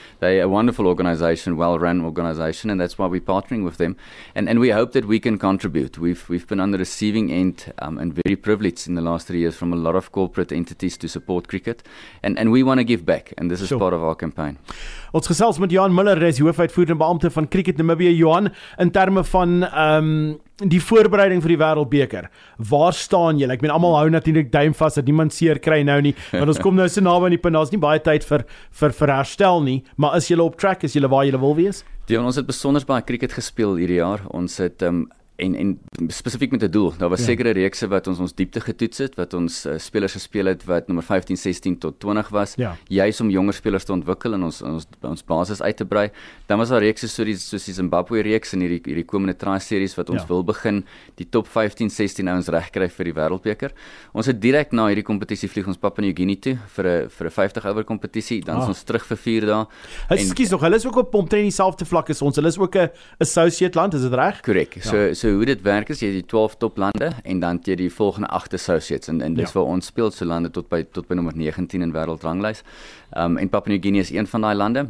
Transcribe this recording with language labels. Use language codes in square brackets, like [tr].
[en] They're a wonderful organization, well-run organization, and that's why we're partnering with them. And we hope that we can contribute. We've been on the receiving end and very privileged in the last 3 years from a lot of corporate entities to support cricket, and we want to give back, and this is part of our campaign. [af] Ons gesels met Johan Miller, hy is hoofuitvoerende beampte van Cricket Namibia. Johan, in terme van die voorbereiding vir die Wêreldbeker, waar staan jy? Ek meen, almal hou natuurlik duim vas dat niemand seer kry nou nie, want ons kom nou so naby aan die punt, daar is nie baie tyd vir herstel nie, maar is julle op track, is julle waar julle wil wees? Dion, ons het besonder baie cricket gespeel hierdie jaar. Ons het En spesifiek met 'n doel. Daar was sekere reekse wat ons diepte getoets het, wat ons spelers gespeel het wat nommer 15, 16 tot 20 was, juist om jonger spelers te ontwikkel en ons basis uit te brei. Dan was daar reekse soos die Zimbabwe reeks en hierdie komende tri-series wat ons wil begin die top 15, 16 ouens regkry vir die Wêreldbeker. Ons het direct na hierdie kompetisie vlieg ons Papua New Guinea toe vir 50 over kompetisie, dan is ons terug vir 4 dae. Excuse nog, hulle is ook op omtrent dieselfde vlak as ons. Hulle is ook 'n associate land, is dit reg? Korrek. So hoe dit werk is, jy het die 12 toplande en dan jy die volgende 8 associates en dis waar ons speel, so lande tot by nommer 19 in wêreldranglys. En Papua New Guinea is een van die lande.